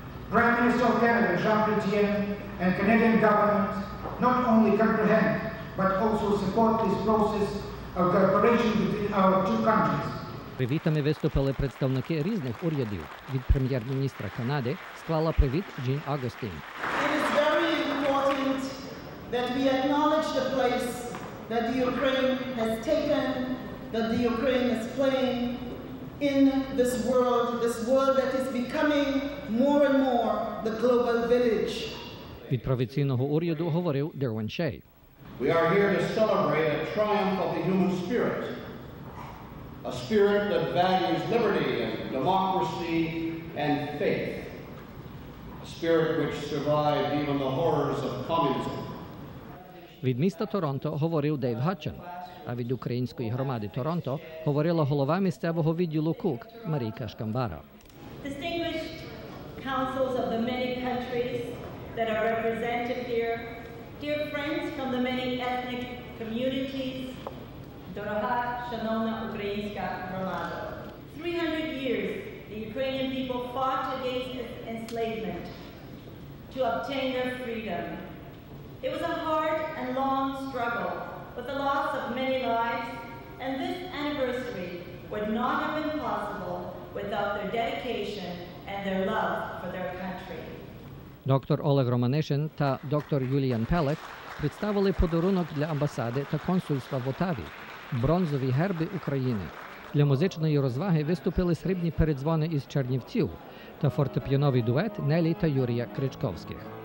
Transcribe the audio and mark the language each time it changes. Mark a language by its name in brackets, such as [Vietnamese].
[English] Prime Minister of Canada, Jean Chrétien, and Canadian government not only comprehend, but also support this process of cooperation between our two countries. [Ukrainian] Привітами виступили представники різних урядів. Від прем'єр-міністра Канади склала привіт Джін Агустін. [English] It is very important that we acknowledge the place that the Ukraine has taken, that the Ukraine is playing in this world that is becoming more and more the global village. [Ukrainian] Від провінційного уряду говорив Дерван Шей. [English] We are here to celebrate a triumph of the human spirit. A spirit that values liberty and democracy and faith. A spirit which survived even the horrors of communism. [Ukrainian] Від міста Торонто говорив Дейв Гатчен, а від української громади Торонто говорила голова місцевого відділу КУК Марійка Шкамбара. [English] Distinguished councils of the many countries that are represented here, dear friends from the many ethnic communities, [Ukrainian] Дорога, шановна українська громада. [English] 300 years the Ukrainian people fought against enslavement to obtain their freedom. It was a hard and long struggle with the loss of many lives, and this anniversary would not have been possible without their dedication and their love for their country. [Ukrainian] Доктор Олег Романишин та доктор Юліан Пелек представили подарунок для амбасади та консульства в Отаві. Бронзові герби України. Для музичної розваги виступили срібні передзвони із Чернівців та фортепіановий дует Нелі та Юрія Кричковських.